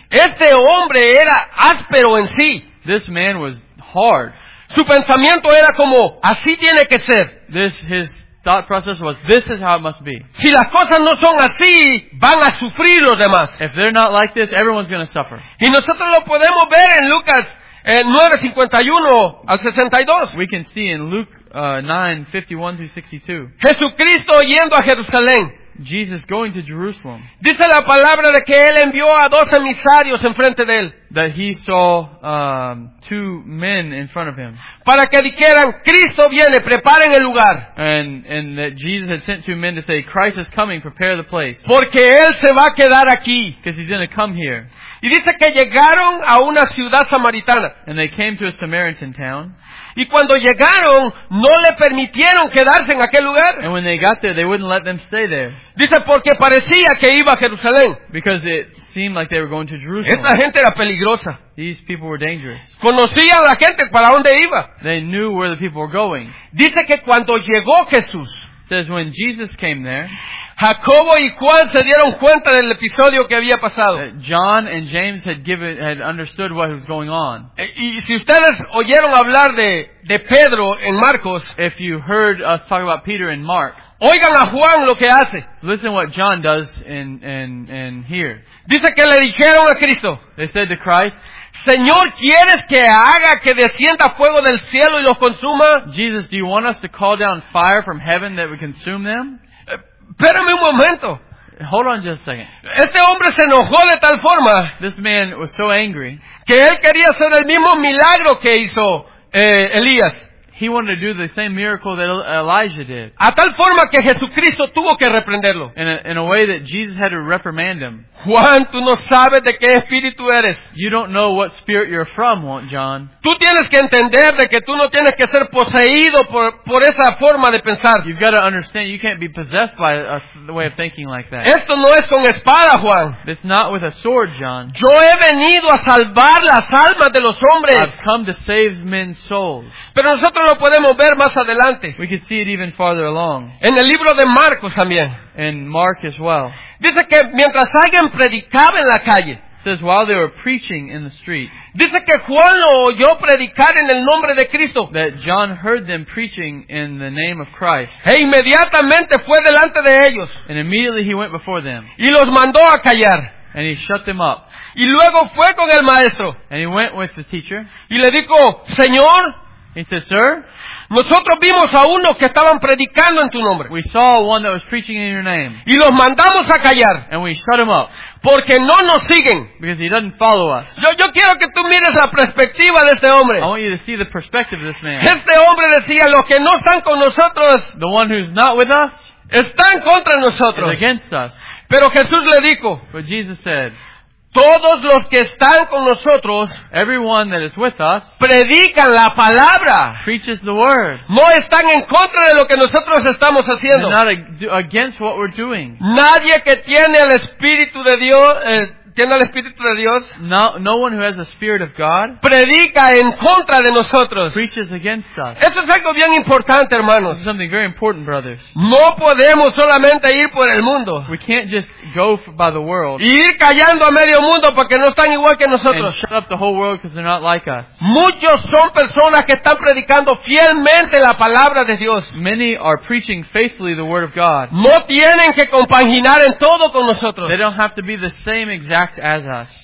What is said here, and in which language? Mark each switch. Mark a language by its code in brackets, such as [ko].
[es] Este hombre era áspero en sí. [en] This man was hard. [es] Su pensamiento era como, así tiene que ser. [en] His thought process was, this is how it must be. [es] Si las cosas no son así, van a sufrir los demás. [en] If they're not like this, everyone's going to suffer. [es] Y nosotros lo podemos ver en Lucas 9:51 al 62. [en] We can see in Luke 9:51-62. [es] Jesucristo yendo a Jerusalén. [en] Jesus going to Jerusalem. [es] Dice la palabra de que él envió a dos emisarios en frente de él. [en] That he saw two men in front of him. [es] Para que dijeran, Cristo viene, preparen el lugar. [en] And that Jesus had sent two men to say, Christ is coming, prepare the place. [es] Porque él se va a quedar aquí. [en] Because he's going to come here. [es] Y dice que llegaron a una ciudad samaritana. [en] And they came to a Samaritan town. [es] Y cuando llegaron, no le permitieron quedarse en aquel lugar. [en] And when they got there, they wouldn't let them stay there. [es] Dice porque parecía que iba a Jerusalén. [en] Because it seemed like they were going to Jerusalem. [es] Esta gente era peligrosa. [en] These people were dangerous. [es] Conocían la gente para dónde iba. [en] They knew where the people were going. [es] Dice que cuando llegó Jesús, [en] says when Jesus came there, [es] Jacobo y Juan se dieron cuenta del episodio que había pasado. [en] John and James had understood what was going on. [es] Y si ustedes oyeron hablar de Pedro en Marcos, [en] if you heard us talk about Peter and Mark, [es] oigan a Juan lo que hace. [en] Listen what John does in here. [es] Dice que le dijeron a Cristo. [en] They said to Christ, [es] Señor, ¿quieres que haga que descienda fuego del cielo y los consuma? [en] Jesus, do you want us to call down fire from heaven that we consume them? [es] Espérame un momento. [en] Hold on just a second. [es] Este hombre se enojó de tal forma. [en] This man was so angry. [es] Que él quería hacer el mismo milagro que hizo Elías. [en] He wanted to do the same miracle that Elijah did. [es] A tal forma que Jesucristo tuvo que reprenderlo. [en] In a way that Jesus had to reprimand him. [es] Juan, tú no sabes de qué espíritu eres. [en] You don't know what spirit you're from, John. [es] Tú tienes que entender de que tú no tienes que ser poseído por esa forma de pensar. [en] You've got to understand you can't be possessed by the way of thinking like that. [es] Esto no es con espada, Juan. [en] It's not with a sword, John. [es] Yo he venido a salvar las almas de los hombres. [en] I've come to save men's souls. [es] Pero nosotros lo podemos ver más adelante. [en] We could see it even farther along. [es] En el libro de Marcos también. [en] In Mark as well. [es] Dice que mientras alguien predicaba en la calle. [en] It says while they were preaching in the street. [es] Dice que Juan lo oyó predicar en el nombre de Cristo. [en] That John heard them preaching in the name of Christ. [es] E inmediatamente fue delante de ellos. [en] And immediately he went before them. [es] Y los mandó a callar. [en] And he shut them up. [es] Y luego fue con el maestro. [en] And he went with the teacher. [es] Y le dijo, Señor. [en] He says, sir, [es] nosotros vimos a unos que estaban predicando en tu nombre. [en] We saw one that was preaching in your name. [es] Y los mandamos a callar. [en] And we shut him up. [es] Porque no nos siguen. [en] Because he doesn't follow us. [es] Yo quiero que tú mires la perspectiva de este hombre. [en] I want you to see the perspective of this man. [es] Este hombre decía, los que no están con nosotros, [en] the one who's not with us, [es] están contra nosotros. [en] Is against us. [es] Pero Jesús le dijo, [en] but Jesus said, [es] todos los que están con nosotros, [en] everyone that is with us, [es] predican la palabra, [en] preaches the word. [es] No están en contra de lo que nosotros estamos haciendo. [en] They're not against what we're doing. [es] Nadie que tiene el Espíritu de Dios, tiene el Espíritu de Dios, [en] no one who has the Spirit of God, [es] predica en contra de nosotros, [en] preaches against us. [es] Eso es algo bien importante, hermanos. [en] This is something very important, brothers. [es] No podemos solamente ir por el mundo. [en] We can't just go by the world. [es] Y ir callando a medio mundo porque no están igual que nosotros. [en] And shut up the whole world because they're not like us. [es] Muchos son personas que están predicando fielmente la palabra de Dios. [en] Many are preaching faithfully the word of God. [es] No tienen que compaginar en todo con nosotros. [en] They don't have to be the same exact as us.